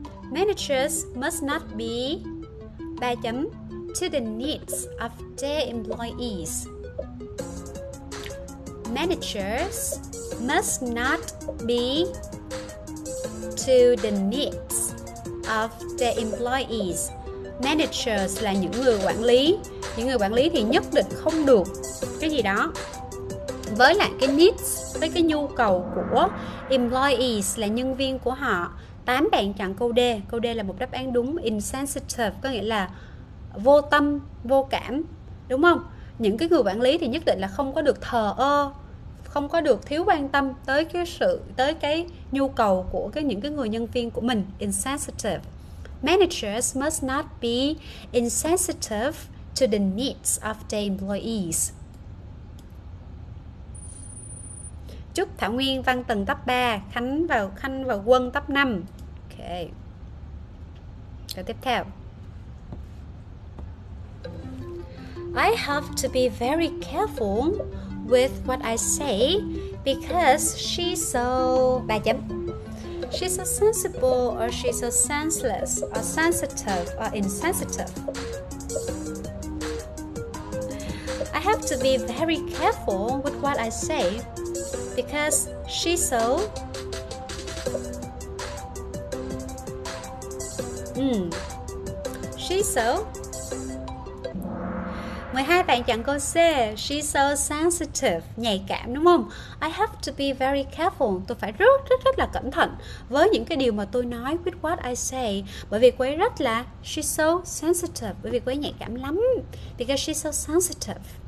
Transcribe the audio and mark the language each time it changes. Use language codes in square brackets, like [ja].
[en] Managers must not be [vi] 3 chấm [en] to the needs of their employees. Managers must not be to the needs of their employees. [vi] Managers là những người quản lý. Những người quản lý thì nhất định không được cái gì đó với lại cái needs, với cái nhu cầu của employees là nhân viên của họ. 8 bạn chọn câu D. Câu D là một đáp án đúng. Insensitive có nghĩa là vô tâm, vô cảm, đúng không? Những cái người quản lý thì nhất định là không có được thờ ơ, không có được thiếu quan tâm tới cái sự, tới cái nhu cầu của cái những cái người nhân viên của mình. Insensitive. [en] Managers must not be insensitive to the needs of their employees. [vi] Chúc Thảo Nguyên văn tầng top 3, Khánh vào Quân top 5. Ok. Câu tiếp theo. [en] I have to be very careful with what I say because she's so [vi] 3 chấm. [en] She's so sensible or she's so senseless or sensitive or insensitive. I have to be very careful with what I say because she's so she's so [vi] 12 bạn chọn câu C. [en] She's so sensitive, [vi] nhạy cảm, đúng không? [en] I have to be very careful. [vi] Tôi phải rất rất rất là cẩn thận với những cái điều mà tôi nói, [en] with what I say. [vi] Bởi vì cô ấy rất là, [en] she's so sensitive, [vi] bởi vì cô ấy nhạy cảm lắm. [en] Because she's so sensitive.